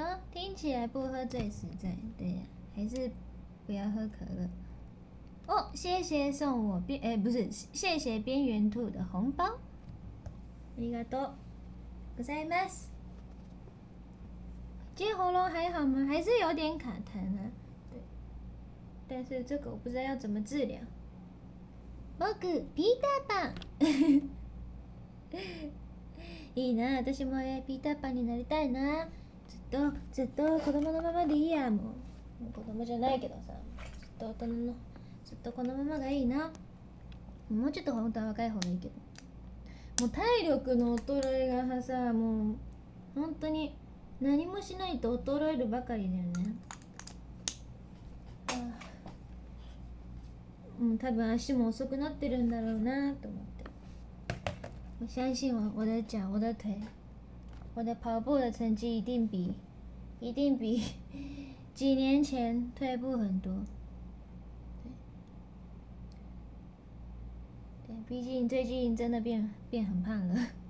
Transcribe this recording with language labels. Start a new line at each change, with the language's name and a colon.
Chinese: 听起来不喝最实在，对呀、啊，还是不要喝可乐。哦，谢谢送我谢谢边缘兔的红包。
Japanese: ありがとうございます。
Chinese: 今天喉咙还好吗？还是有点卡痰啊。对，但是这个我不知道要怎么治疗。
Japanese: 僕ピーターパン。いいな、私もピーターパンになりたいな。ずっと子供のままでいいや、もう子供じゃないけどさ、ずっとこのままがいいな。もうちょっと本当は若い方がいいけど、もう体力の衰えがさ、もう本当に何もしないと衰えるばかりだよね。もう多分足も遅くなってるんだろうなと思って。
Chinese: 相信我的脚，我的腿，我的跑步的成绩一定比几年前退步很多。对，毕竟最近真的变很胖了。